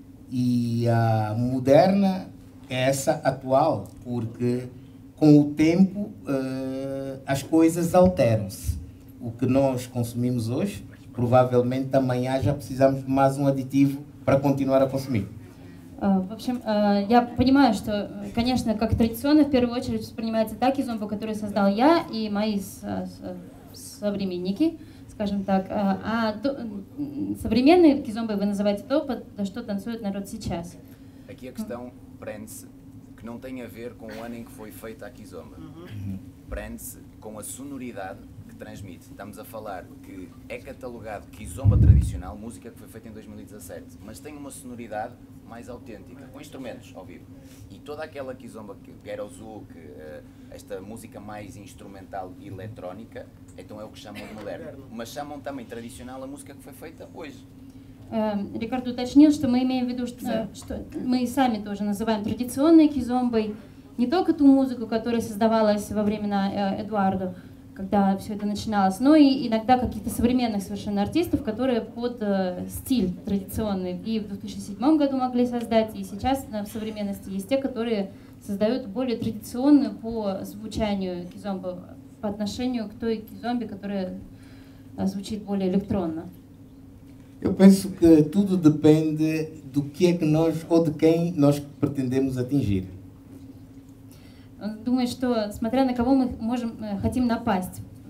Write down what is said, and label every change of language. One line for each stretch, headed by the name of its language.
Portuguese: E a moderna é essa atual, porque com o tempo as coisas alteram-se. O que nós consumimos hoje, provavelmente amanhã já precisamos de mais um aditivo para continuar a consumir.
Russian: В общем, я понимаю, что, конечно, как традиционно, в первую очередь, воспринимается та кизомба, которую создал я и мои современники, скажем так. А современные кизомбы вы называете то, за что танцует народ сейчас.
Portuguese: Aqui a questão prende-se, que não tem a ver com o ano em que foi feita a kizomba. Prende-se com a sonoridade que transmite. Estamos a falar que é catalogado kizomba tradicional, música que foi feita em 2017, mas tem uma sonoridade mais autêntica, com instrumentos ao vivo. E toda aquela kizomba que era o Zoo, que esta música mais instrumental e eletrónica, então é o que chamam de moderno. Mas chamam também tradicional a música que foi feita hoje.
Russian: Ricardo уточнил, что мы имеем в виду, что мы сами тоже называем традиционной кизомбой не только ту музыку, которая создавалась во времена Эдуардо, когда все это начиналось, но и иногда каких-то современных совершенно артистов, которые под стиль традиционный и в 2007 году могли создать, и сейчас в современности есть те, которые создают более традиционную по звучанию кизомбы по отношению к той кизомбе, которая звучит более электронно.
Portuguese: Eu penso que tudo depende do que é que nós, ou de quem nós pretendemos atingir.
Russian: Думаю, что смотря на кого мы можем хотим напасть.